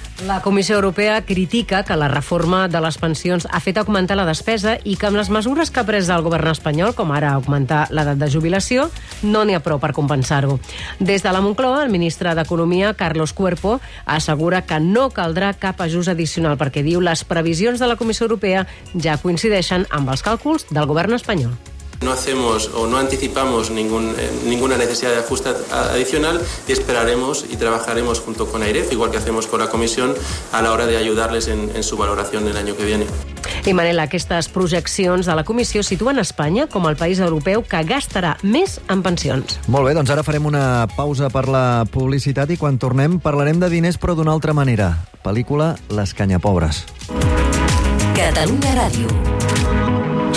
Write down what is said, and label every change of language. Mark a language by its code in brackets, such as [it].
[ca] La Comissió Europea critica que la reforma de les pensions ha fet augmentar la despesa i que amb les mesures que ha pres el govern espanyol, com ara augmentar l'edat de jubilació, no n'hi ha prou per compensar-ho. Des de la Moncloa, el ministre d'Economia, Carlos Cuerpo, assegura que no caldrà cap ajust addicional perquè, diu, les previsions de la Comissió Europea ja coincideixen amb els càlculs del govern espanyol. [es] No hacemos o no anticipamos ninguna necesidad de ajuste adicional y esperaremos y trabajaremos junto con AIREF, igual que hacemos con la Comisión, a la hora de ayudarles en su valoración el año que viene. [ca] I Manel, aquestes projeccions de la Comissió situen Espanya com el país europeu que gastarà més en pensions. Molt bé, doncs ara farem una pausa per la publicitat i quan tornem parlarem de diners però d'una altra manera. Pel·lícula Les Canyapobres. Catalunya Ràdio.